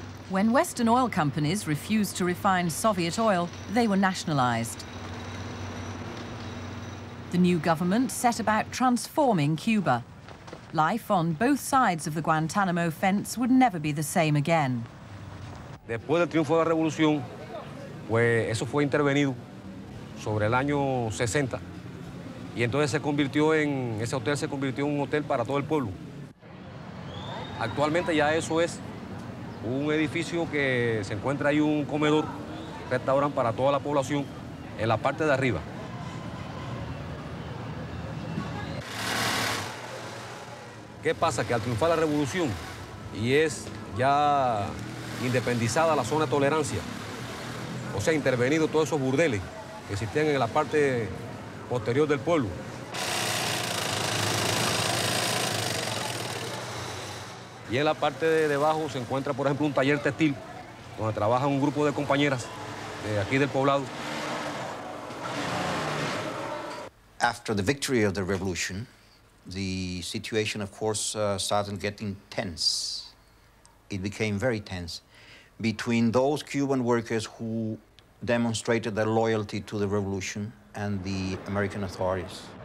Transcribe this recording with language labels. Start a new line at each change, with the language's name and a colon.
English: When Western oil companies refused to refine Soviet oil, they were nationalized. The new government set about transforming Cuba. Life on both sides of the Guantanamo fence would never be the same again.
Spanish: Después del triunfo de la revolución, pues eso fue intervenido sobre el año 60. Y entonces se convirtió en, ese hotel se convirtió en un hotel para todo el pueblo. Actualmente ya eso es un edificio que se encuentra ahí un comedor, restaurante para toda la población en la parte de arriba. ¿Qué pasa? Que al triunfar la revolución y es ya independizada la zona de tolerancia, o sea, intervenido todos esos burdeles que existían en la parte posterior del pueblo. Y en la parte de debajo se encuentra, por ejemplo, un taller textil donde trabaja un grupo de compañeras de aquí del poblado.
English: After the victory of the revolution, the situation, of course, started getting tense. It became very tense. Between those Cuban workers who demonstrated their loyalty to the revolution and the American authorities.